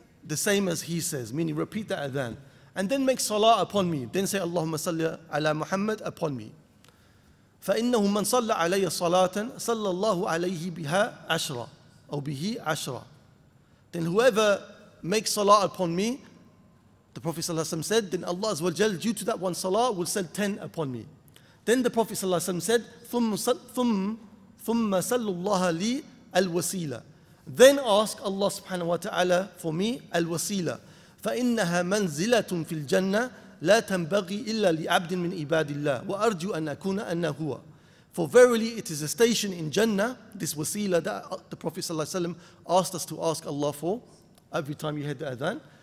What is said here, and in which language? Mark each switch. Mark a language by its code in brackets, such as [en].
[en] the same as he says, meaning repeat the adhan, and then make salah upon me, then say Allahumma salli ala Muhammad upon me. [ar] فَإِنَّهُ مَنْ صَلَّ عَلَيَّ صَلَاةً صَلَّ اللَّهُ عَلَيْهِ بِهَا عَشْرًا أَوْ بِهِ عَشْرًا. [en] Then whoever makes salah upon me, the Prophet ﷺ said, then Allah Azza wa Jal, due to that one salah, will send 10 upon me. [ar] Then the Prophet ﷺ said, ثُمَّ سَلُّ اللَّهَ لِي الْوَسِيلَةِ. [en] Then ask Allah subhanahu wa ta'ala for me, الْوَسِيلَةِ. [ar] فَإِنَّهَا مَنْزِلَةٌ فِي الْجَنَّةِ لَا تَنْبَغِي إِلَّا لِعَبْدٍ مِنْ عِبَادِ اللَّهِ وَأَرْجُوا أَنْ أَكُونَ أَنَّهُوَ. [en] For verily it is a station in Jannah, this wasila that the Prophet ﷺ asked us to ask Allah for every time you heard the adhan.